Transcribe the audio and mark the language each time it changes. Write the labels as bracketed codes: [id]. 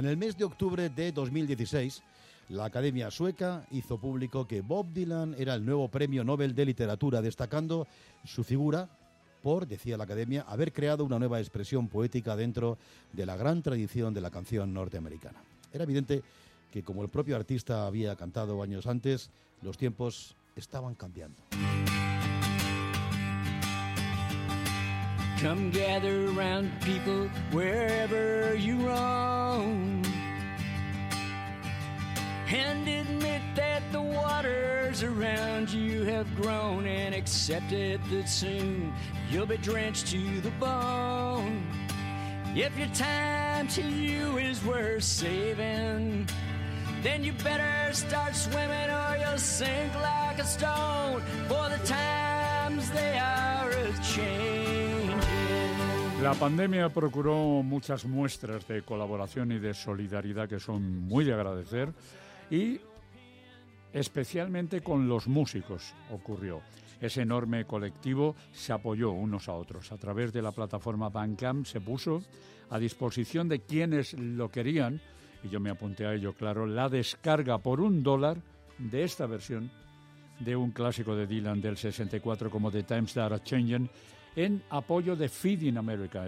[es] En el mes de octubre de 2016, la Academia Sueca hizo público que Bob Dylan era el nuevo Premio Nobel de Literatura, destacando su figura por, decía la Academia, haber creado una nueva expresión poética dentro de la gran tradición de la canción norteamericana. Era evidente que, como el propio artista había cantado años antes, los tiempos estaban cambiando. [en] Come gather round people wherever you roam, and admit that the waters around you have grown, and accept it that soon you'll be drenched to the bone. If your time to you is worth saving, then you better start swimming or you'll sink like a stone, for the times they are a change. [es] La pandemia procuró muchas muestras de colaboración y de solidaridad que son muy de agradecer, y especialmente con los músicos ocurrió. Ese enorme colectivo se apoyó unos a otros. A través de la plataforma Bandcamp se puso a disposición de quienes lo querían, y yo me apunté a ello, claro, la descarga por $1 de esta versión de un clásico de Dylan del 64 como The Times That Are Changin', en apoyo de Feeding America.